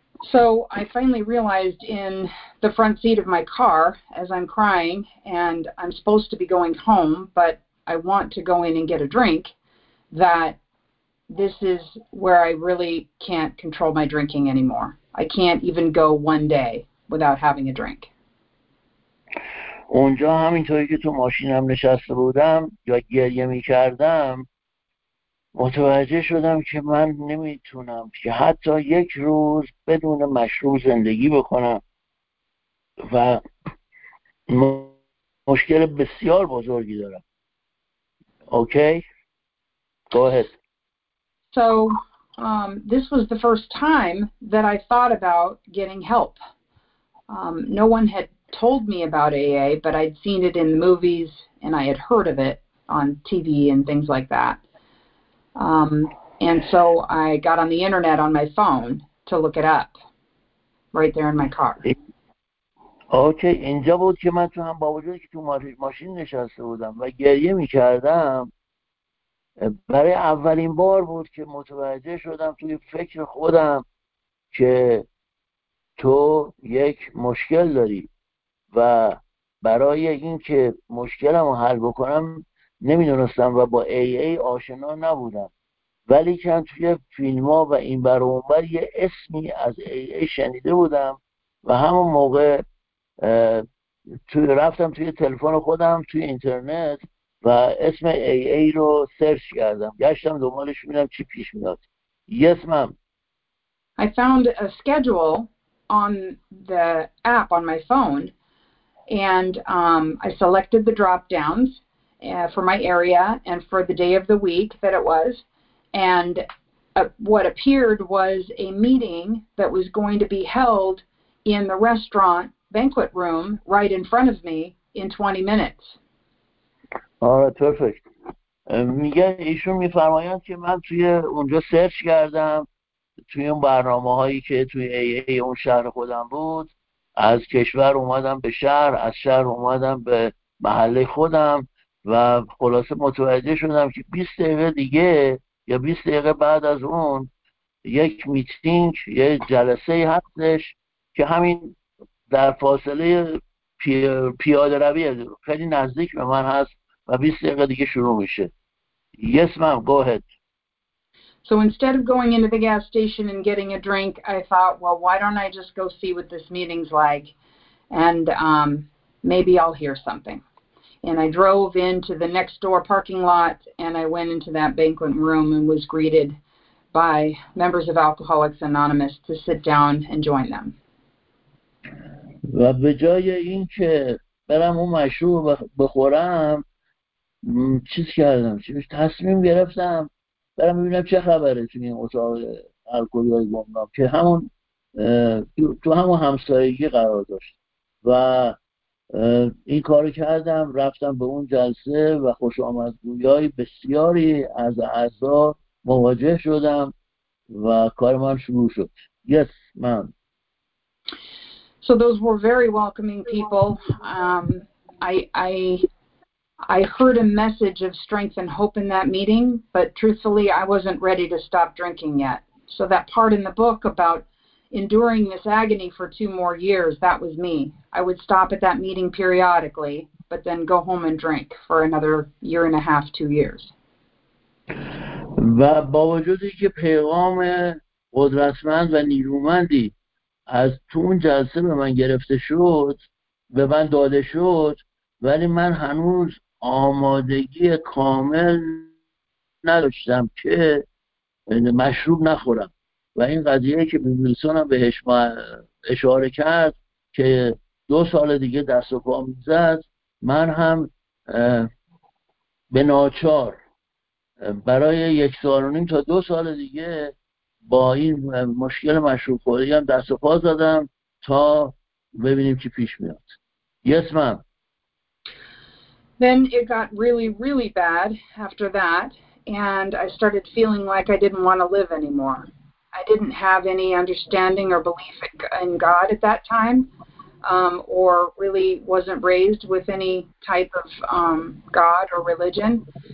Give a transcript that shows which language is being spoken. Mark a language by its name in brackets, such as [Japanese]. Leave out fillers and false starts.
[English] So I finally realized in the front seat of my car as I'm crying and I'm supposed to be going home but I want to go in and get a drink that this is where I really can't control my drinking anymore. I can't even go one day without having a drink. [Persian] اونجا همینطوری که تو ماشینم نشسته بودم یا گریه می کردم متوجه شدم که من نمیتونم که حتی یک روز بدون مشروب زندگی بکنم و مشکل بسیار بزرگی دارم. [English] Okay? Go ahead. So this was the first time that I thought about getting help. No one had told me about AA, but I'd seen it in the movies and I had heard of it on TV and things like that. And so I got on the internet on my phone to look it up right there in my car. [Persian] Okay, اینجا بود که من تو هم با وجودی که تو ماشین نشسته بودم و گریه می‌کردم برای اولین بار بود که متوجه شدم توی فکر خودم که تو یک مشکل داری و برای اینکه مشکلمو حل بکنم نمیدونستم و با AA آشنا نبودم ولی که توی فیلم‌ها و این بر اون بر یه اسمی از AA شنیده بودم و همون موقع توی رفتم توی تلفن خودم توی اینترنت و اسم AA رو سرچ کردم، گشتم دنبالش ببینم چی پیش میاد. [English] Yes, ma'am. I found a schedule on the app on my phone. And I selected the drop-downs for my area and for the day of the week that it was. And what appeared was a meeting that was going to be held in the restaurant banquet room right in front of me in 20 minutes. All right, perfect. [Persian] ایشون میفرمایند که من توی اونجا سرچ کردم توی اون برنامه‌هایی که توی AA اون شهر خودم بود. از کشور اومدم به شهر، از شهر اومدم به محله خودم و خلاصه متوجه شدم که 20 دقیقه دیگه یا 20 دقیقه بعد از اون یک میتینگ، یک جلسه هستش که همین در فاصله پیاده روی خیلی نزدیک به من هست و 20 دقیقه دیگه شروع میشه. [English] Yes, ma'am, go ahead. So instead of going into the gas station and getting a drink, I thought, well, why don't I just go see what this meeting's like, and maybe I'll hear something. And I drove into the next door parking lot, and I went into that banquet room and was greeted by members of Alcoholics Anonymous to sit down and join them. [Persian] و به جای اینکه برم اون مشروب بخورم، چیز کردم، چیز تصمیم گرفتم برم ببینم چه خبره تو این اتاق الکلی های گمنام، که همون تو همون همسایگی قرار داشت، و این کار کردم. رفتم به اون جلسه و خوش آمدگویی‌های بسیاری از اعضا مواجه شدم و کار من شروع شد. [English] Yes, ma'am. So those were very welcoming people. I heard a message of strength and hope in that meeting, but truthfully, I wasn't ready to stop drinking yet. So that part in the book about enduring this agony for 2 more years, that was me. I would stop at that meeting periodically, but then go home and drink for another year and a half, 2 years. [Persian] و با وجودی که پیغام قدرتمند و نیرومندی از تو اون جلسه به من گرفته شد، به من داده شد، ولی من هنوز آمادگی کامل نداشتم که مشروب نخورم. و این قضیه که بیمیلسون هم بهش اشاره کرد که 2 سال دیگه دست و پا میزد، من هم به ناچار برای 1.5 تا 2 سال دیگه با این مشکل مشروب خوری هم دست و پا زدم تا ببینیم چی پیش میاد. [English] Yes, ma'am. Then it got really, really bad after that, and I started feeling like I didn't want to live anymore. I didn't have any understanding or belief in God at that time, or really wasn't raised with any type of God or religion.